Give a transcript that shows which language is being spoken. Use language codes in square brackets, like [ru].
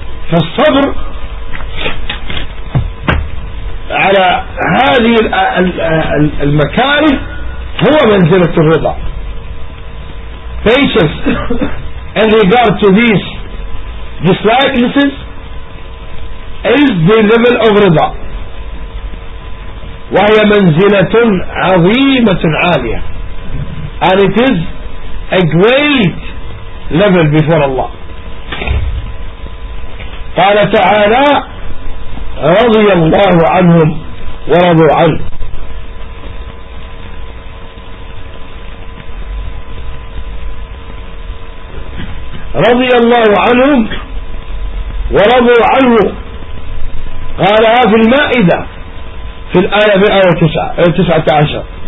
[ar] فالصبر على هذه المكاره هو منزلة الرضا. [en] Patience in regard to these dislikenesses is the level of رضا, [ar] وهي منزلة عظيمة عالية, [en] and it is a great level before Allah. [ar] قال تعالى رضي الله عنهم ورضوا عنه. رضي الله عنهم ورضوا عنه قالها في المائدة في الآية 119.